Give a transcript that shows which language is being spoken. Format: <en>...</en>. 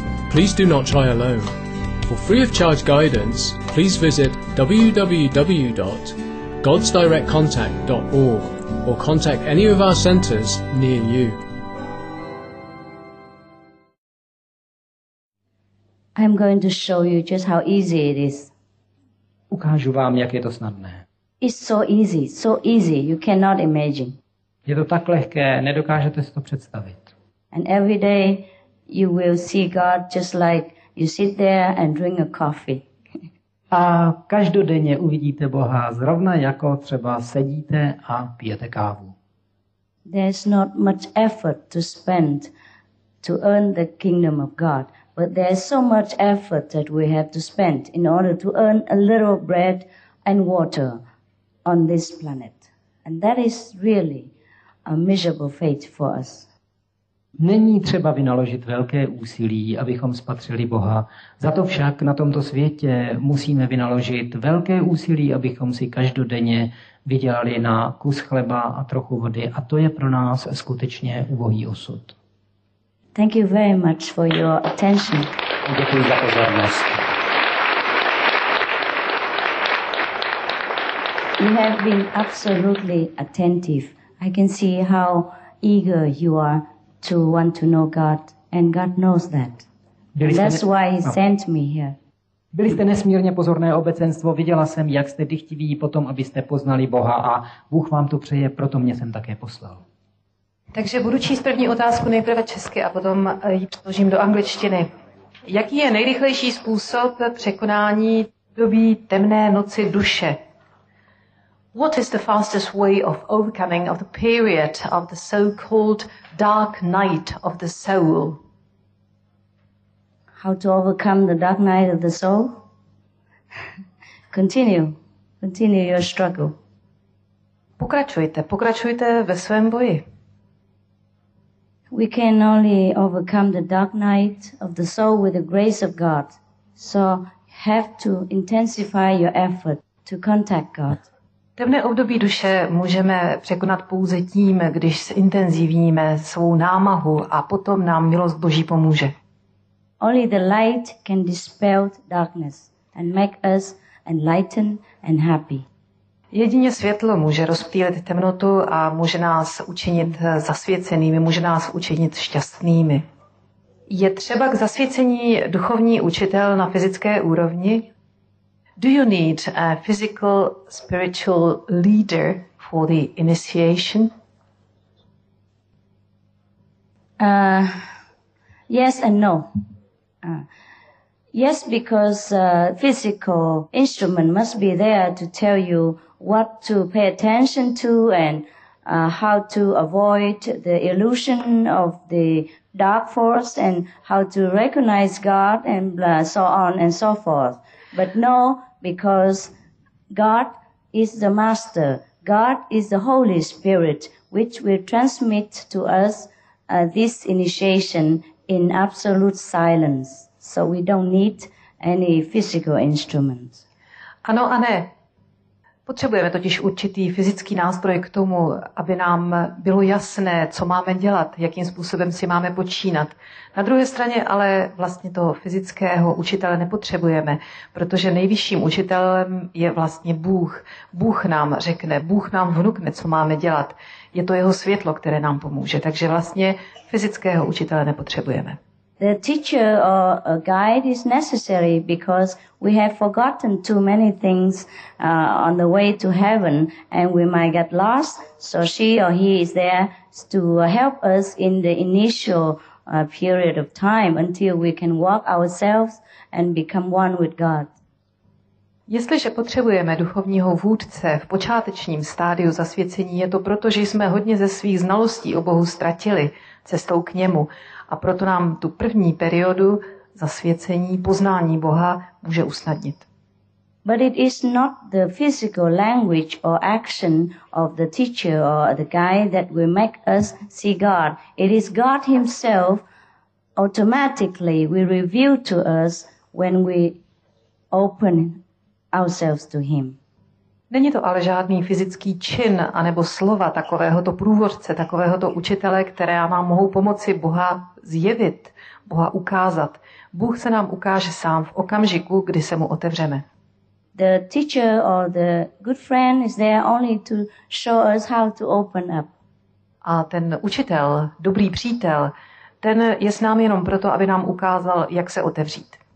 <en>Please do not try alone. For free of charge guidance, please visit www.godsdirectcontact.org or contact any of our centers near you. I'm going to show you just how easy it is.</en> <cs>Ukážu vám, jak je to snadné.</cs> <en>It's so easy, you cannot imagine.</en> <cs>Je to tak lehké, nedokážete si to představit.</cs> <en>And every day you will see God just like you sit there and drink a coffee.</en> <cs>A každodenně uvidíte Boha zrovna jako třeba sedíte a pijete kávu.</cs> <en>There's not much effort to spend to earn the kingdom of God. But there's so much effort that we have to spend in order to earn a little bread and water on this planet. And that is really a miserable fate for us.</en> <cs>Není třeba vynaložit velké úsilí, abychom spatřili Boha. Za to však na tomto světě musíme vynaložit velké úsilí, abychom si každodenně vydělali na kus chleba a trochu vody. A to je pro nás skutečně ubohý osud.</cs> <en>Thank you very much for your attention.</en> <cs>Děkuji za pozornost.</cs> <en>You have been absolutely attentive. I can see how eager you are to want to know God, and God knows that. And that's why he sent me here.</en> <cs>Byli jste nesmírně pozorné obecenstvo, viděla jsem, jak jste dychtiví potom, abyste poznali Boha, a Bůh vám to přeje, proto mě jsem také poslal. Takže budu číst první otázku nejprve česky a potom ji přeložím do angličtiny. Jaký je nejrychlejší způsob překonání doby temné noci duše?</cs> <en>What is the fastest way of overcoming of the period of the so-called dark night of the soul? How to overcome the dark night of the soul? Continue your struggle.</en> <cs>Pokračujte ve svém boji.</cs> <en>We can only overcome the dark night of the soul with the grace of God. So have to intensify your effort to contact God.</en> <cs>Temné období duše můžeme překonat pouze tím, když zintenzivníme svou námahu a potom nám milost Boží pomůže.</cs> <en>Only the light can dispel darkness and make us enlightened and happy.</en> <cs>Jedině světlo může rozptýlit temnotu a může nás učinit zasvěcenými, může nás učinit šťastnými. Je třeba k zasvěcení duchovní učitel na fyzické úrovni?</cs> <en>Do you need a physical spiritual leader for the initiation? Yes and no. Yes, because a physical instrument must be there to tell you what to pay attention to and how to avoid the illusion of the dark force and how to recognize God and so on and so forth. But no, because God is the master. God is the Holy Spirit, which will transmit to us this initiation in absolute silence. So we don't need any physical instrument.</en> <cs>Ano a ne. Potřebujeme totiž určitý fyzický nástroj k tomu, aby nám bylo jasné, co máme dělat, jakým způsobem si máme počínat. Na druhé straně ale vlastně toho fyzického učitele nepotřebujeme, protože nejvyšším učitelem je vlastně Bůh. Bůh nám řekne, Bůh nám vnukne, co máme dělat. Je to jeho světlo, které nám pomůže, takže vlastně fyzického učitele nepotřebujeme.</cs> <en>The teacher or a guide is necessary because we have forgotten too many things on the way to heaven and we might get lost. So she or he is there to help us in the initial period of time until we can walk ourselves and become one with God.</en> <cs>Jestliže potřebujeme duchovního vůdce v počátečním stádiu zasvěcení, je to proto, že jsme hodně ze svých znalostí o Bohu ztratili cestou k němu. A proto nám tu první periodu zasvěcení, poznání Boha může usnadnit.</cs> <en>But it is not the physical language or action of the teacher or the guide that will make us see God. It is God himself automatically will reveal to us when we open ourselves to him.</en> <cs>Není to ale žádný fyzický čin anebo slova takovéhoto průvodce, takovéhoto učitele, které nám mohou pomoci Boha zjevit, Boha ukázat. Bůh se nám ukáže sám v okamžiku, kdy se mu otevřeme.</cs> <en>The teacher or the good friend is there only to show us how to open up.</en> <cs>A ten učitel, dobrý přítel, ten je s námi jenom proto, aby nám ukázal, jak se otevřít.</cs>